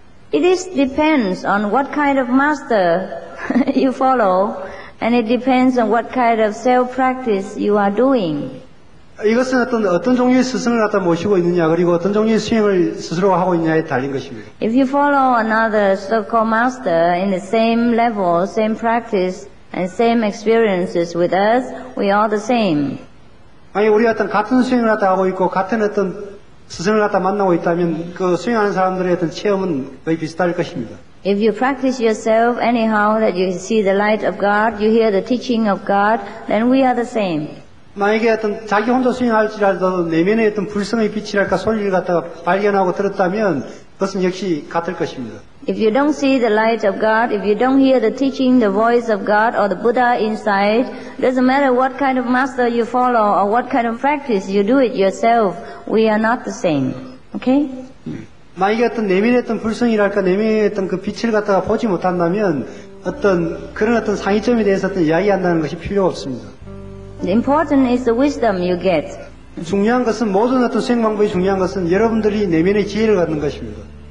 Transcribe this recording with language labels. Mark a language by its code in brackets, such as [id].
[en] It is depends on what kind of master you follow, and it depends on what kind of self-practice you are doing. [ko] 이것은 어떤 종류의 스승을 갖다 모시고 있느냐, 그리고 어떤 종류의 수행을 스스로 하고 있느냐에 달린 것입니다. [en] If you follow another so-called master in the same level, same practice, and same experiences with us, we are the same. [ko] 아니, 우리 같은 수행을 갖다 하고 있고, 같은 스승을 갖다 만나고 있다면 그 수행하는 사람들의 어떤 체험은 거의 비슷할 것입니다. [en] If you practice yourself anyhow that you see the light of God, you hear the teaching of God, then we are the same. [ko] 만약에 자기 혼자 수행할지라도 내면의 불성의 빛이랄까 소리를 갖다 발견하고 들었다면 그것은 역시 같을 것입니다. [en] If you don't see the light of God, if you don't hear the teaching, the voice of God or the Buddha inside, doesn't matter what kind of master you follow or what kind of practice you do it yourself, we are not the same. Okay? [ko] 만약에 내면의 불성이랄까 내면의 그 빛을 갖다가 보지 못한다면 그런 상이점에 대해서 이야기한다는 것이 필요 없습니다. [en] The important is the wisdom you get. [ko] 중요한 것은 모든 수행 방법이 중요한 것은 여러분들이 내면의 지혜를 갖는 것입니다.